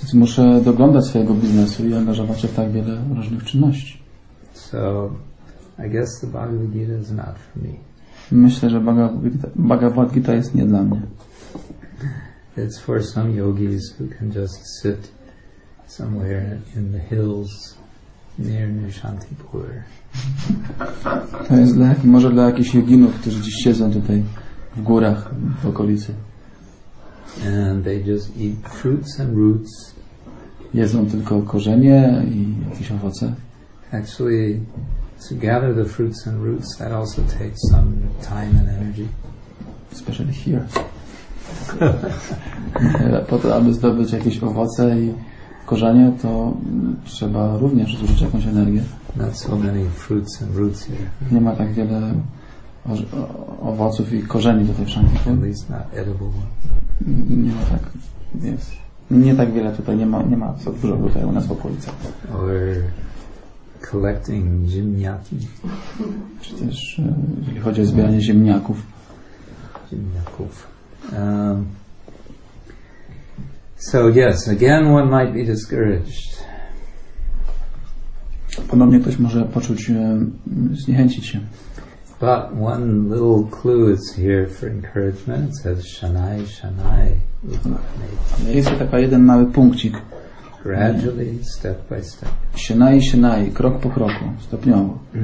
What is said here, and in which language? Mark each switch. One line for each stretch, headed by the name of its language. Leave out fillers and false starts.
Polish: Więc muszę doglądać swojego biznesu i angażować się w tak wiele różnych czynności.
English: So, I guess the Bhagavad Gita is not for me.
Polish: Myślę, że Bhagavad Gita jest nie dla mnie.
English: It's for some yogis who can just sit somewhere in the hills near Nishantipur.
Polish: To jest dla, może dla jakichś joginów, którzy gdzieś siedzą tutaj w górach, w okolicy.
English: And they just eat fruits and roots.
Polish: Jedzą tylko korzenie i jakieś owoce.
English: Actually, to gather the fruits and roots, that also takes some time and energy. Especially here.
Polish: Po to, aby zdobyć jakieś owoce i korzenie, to trzeba również zużyć jakąś energię.
English: Not so many fruits and roots here.
Polish: Nie ma tak wiele owoców i korzeni tutaj wszędzie.
English: At least not edible ones.
Polish: Nie ma tak.
English: Yes.
Polish: Nie tak wiele tutaj, nie ma co dużo tutaj u nas w okolicy.
English: Or collecting ziemniaki.
Polish: Czy też, jeżeli chodzi o zbieranie ziemniaków. Ziemniaków.
English: So yes, again one might be discouraged.
Polish: Ponownie ktoś może poczuć zniechęcić się.
English: But one little clue is here for encouragement. It says shanai, shanai.
Polish: Ale jest taka jeden mały punkcik.
English: Gradually, step by step.
Polish: Shanai, shanai, krok po kroku, stopniowo.